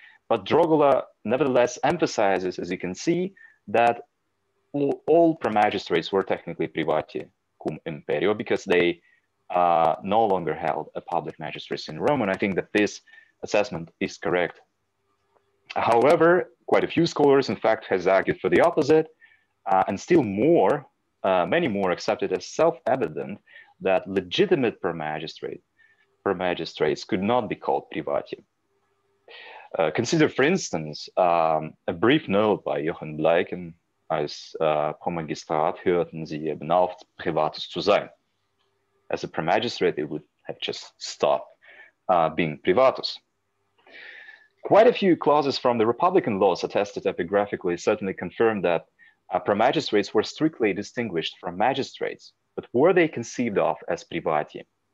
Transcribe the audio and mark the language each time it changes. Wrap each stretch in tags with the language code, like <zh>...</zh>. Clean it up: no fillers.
<en>But Drogula nevertheless emphasizes, as you can see, that all pro-magistrates were technically privati cum imperio because they no longer held a public magistracy in Rome. And I think that this assessment is correct. However, quite a few scholars, in fact, has argued for the opposite, and still more, many more accepted as self-evident that legitimate per magistrates could not be called privati. Consider, for instance, a brief note by Johann Bleichen</en> <de>als Promagistrat hörten sie eben auf, privatus zu sein.</de> <en>As a pre-magistrate, they would have just stopped being privatus. Quite a few clauses from the Republican laws attested epigraphically certainly confirmed that pre-magistrates were strictly distinguished from magistrates, but were they conceived of as privati?</en>